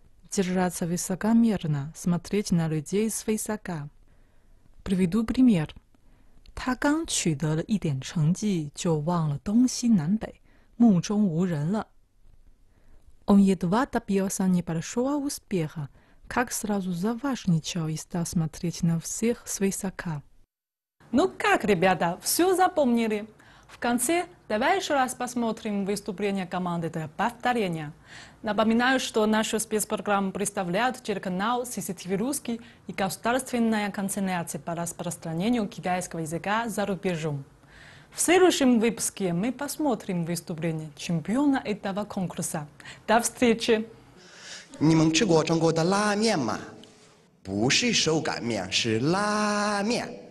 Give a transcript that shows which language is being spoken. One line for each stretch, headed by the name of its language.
Russian: Держаться высокомерно, смотреть на людей свысока. Приведу пример.
Chinese: 他刚取得了一点成绩,就忘了东西南北. 目中无人了.
Russian: Он едва добился небольшого успеха, как сразу заважничал и стал смотреть на всех свысока. Ну как, ребята, все запомнили? В конце давай еще раз посмотрим выступление команды для повторения. Напоминаю, что нашу спецпрограмму представляют телеканал CCTV Русский и государственная канцеляция по распространению китайского языка за рубежом. В следующем выпуске мы посмотрим выступление чемпиона этого конкурса. До встречи!
Chinese: 你们吃过中国的拉面吗?不是手擀面,是拉面。